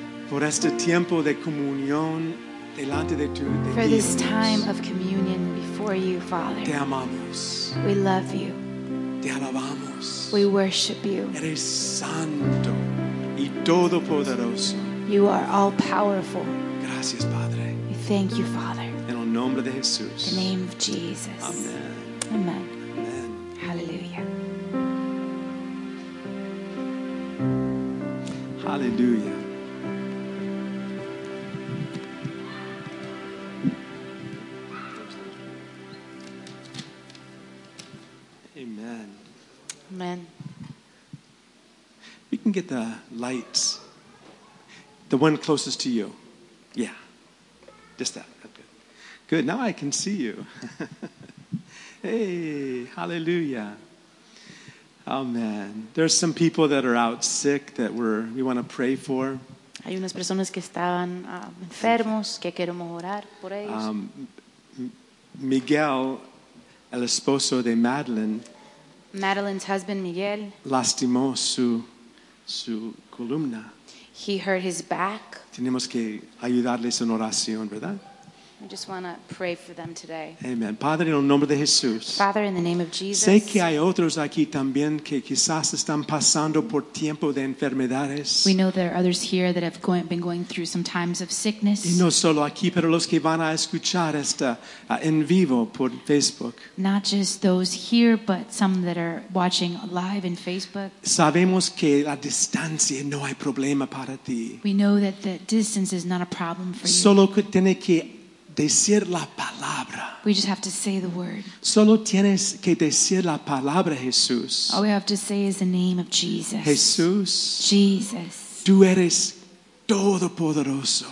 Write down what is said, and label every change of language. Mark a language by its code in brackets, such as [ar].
[es] Por este tiempo de comunión delante de tu de [en] For this time of communion before you, Father. [es] Te amamos. [en] We love you. [es] Te alabamos. [en] We worship you. [es] Eres santo y todopoderoso. [en] You are all powerful. [es] Gracias, Padre. [en] We thank you, Father. [es] En el nombre de Jesús. [en] In the name of Jesus. Amen. Amen. Amen. Hallelujah. Hallelujah. Amen. We can get the lights. The one closest to you. Yeah. Just that. Good. Good. Now I can see you. Hey, hallelujah. Oh, man. There's some people that are out sick that we want to pray for. [es] Hay unas personas que estaban enfermos que queremos orar por ellos. Miguel, el esposo de Madeline. [en] Madeline's husband Miguel [es] lastimó su columna. [en] He hurt his back. [es] Tenemos que ayudarles en oración, ¿verdad? [en] I just want to pray for them today. [es] Amen. Padre, en el nombre de Jesús. [en] Father, in the name of Jesus. [es] Sé que hay otros aquí también que quizás están pasando por tiempo de enfermedades. [en] We know there are others here that have been going through some times of sickness. [es] Y no solo aquí, pero los que van a escuchar esta en vivo por Facebook. [en] Not just those here, but some that are watching live in Facebook. [es] Sabemos que la distancia no hay problema para ti. [en] We know that the distance is not a problem for you. [es] Solo que tiene que decir la palabra. [en] We just have to say the word. [es] Solo tienes que decir la palabra, Jesús. [en] All we have to say is the name of Jesus. [es] Jesús. [en] Jesus. [es] Tú eres todopoderoso.